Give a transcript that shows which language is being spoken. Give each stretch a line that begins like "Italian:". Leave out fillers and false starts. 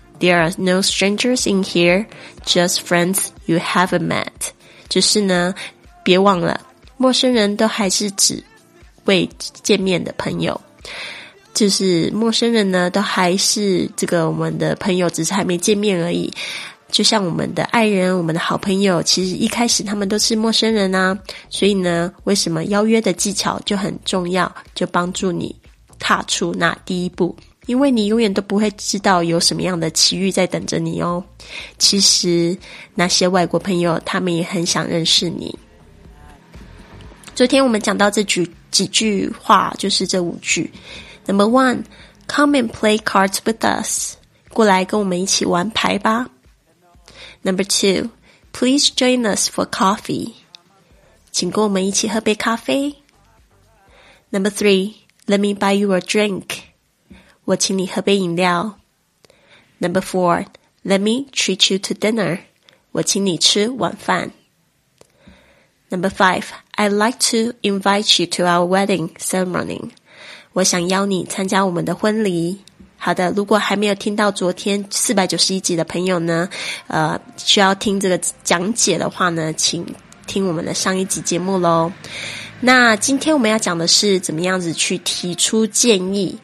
English: There are no strangers in here, just friends you haven't met.
Chinese: 就是呢，别忘了，陌生人都还是只未见面的朋友。就是陌生人呢，都还是这个我们的朋友，只是还没见面而已。就像我们的爱人，我们的好朋友，其实一开始他们都是陌生人啊。所以呢，为什么邀约的技巧就很重要，就帮助你踏出那第一步。因为你永远都不会知道有什么样的奇遇在等着你哦。其实那些外国朋友他们也很想认识你。昨天我们讲到这几句话，就是这五句。
English: Number one, come and play cards with us.
Chinese: 过来跟我们一起玩牌吧。
English: Number two, please join us for coffee.
Chinese: 请跟我们一起喝杯咖啡。
English: Number three, let me buy you a drink.
Chinese: 我请你喝杯饮料。
English: Number four, let me treat you to dinner.
Chinese: 我请你吃晚饭。
English: Number five, I'd like to invite you to our wedding ceremony.
Chinese: 我想邀你参加我们的婚礼。好的，如果还没有听到昨天491集的朋友呢，需要听这个讲解的话呢，请听我们的上一集节目咯。那今天我们要讲的是怎么样子去提出建议。